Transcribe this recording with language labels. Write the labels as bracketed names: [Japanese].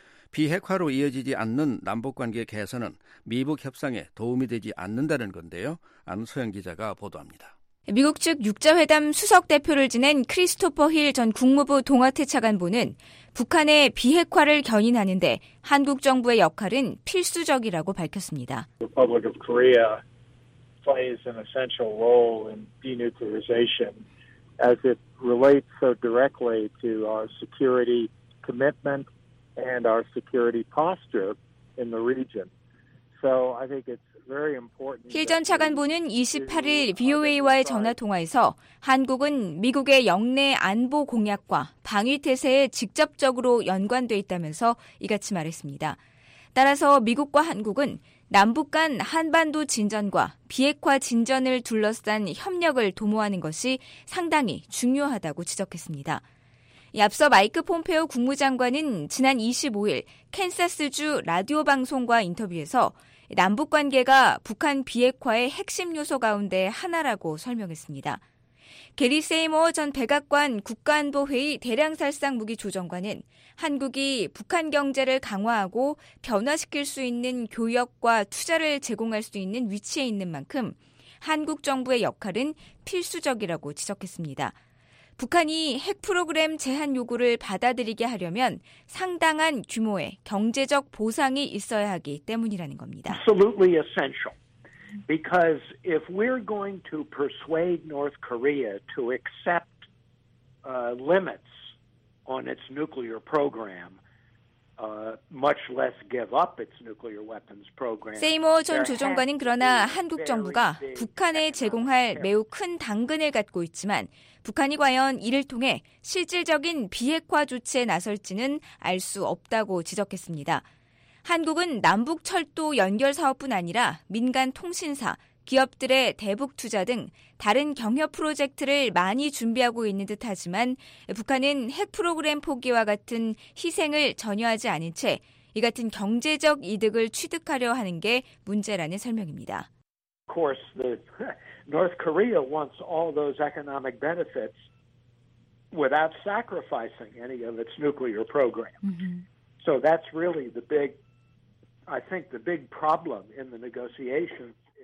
[Korean] 비핵화로 이어지지 않는 남북관계 개선은 미북 협상에 도움이 되지 않는다는 건데요. 안소영 기자가 보도합니다. 미국 측 육자회담 수석대표를 지낸 크리스토퍼 힐 전 국무부 동아태 차관보는 북한의 비핵화를 견인하는 데 한국 정부의 역할은 필수적이라고 밝혔습니다. [English] Republic of Korea plays an essential role in denuclearization as it relates so directly to our security commitment and our security posture in the region. So I think it's very important. [Korean] 힐 전 차관보는 28일 VOA와의 전화 통화에서 한국은 미국의 영내 안보 공약과 방위 태세에 직접적으로 연관돼 있다면서 이같이 말했습니다. 따라서 미국과 한국은 남북 간 한반도 진전과 비핵화 진전을 둘러싼 협력을 도모하는 것이 상당히 중요하다고 지적했습니다. 앞서 마이크 폼페오 국무장관은 지난 25일 캔사스주 라디오 방송과 인터뷰에서 남북관계가 북한 비핵화의 핵심 요소 가운데 하나라고 설명했습니다. 게리 세이머 전 백악관 국가안보회의 대량살상무기조정관은 한국이 북한 경제를 강화하고 변화시킬 수 있는 교역과 투자를 제공할 수 있는 위치에 있는 만큼 한국 정부의 역할은 필수적이라고 지적했습니다. 북한이 핵 프로그램 제한 요구를 받아들이게 하려면 상당한 규모의 경제적 보상이 있어야 하기 때문이라는 겁니다. [English] Absolutely essential. Because if we're going to persuade North Korea to accept limits on its nuclear program, much less give up its nuclear weapons program. [Korean] 세이머 전 조정관은 그러나 한국 정부가 북한에 제공할 매우 큰 당근을 갖고 있지만 북한이 과연 이를 통해 실질적인 비핵화 조치에 나설지는 알 수 없다고 지적했습니다. 한국은 남북 철도 연결 사업뿐 아니라 민간 통신사, 기업들의 대북 투자 등 다른 경협 프로젝트를 많이 준비하고 있는 듯하지만 북한은 핵 프로그램 포기와 같은 희생을 전혀 하지 않은 채 이 같은 경제적 이득을 취득하려 하는 게 문제라는 설명입니다. [English] Of course, the North Korea wants all those economic benefits without sacrificing any of its nuclear program. So that's really the big, I think, the big problem in the negotiations.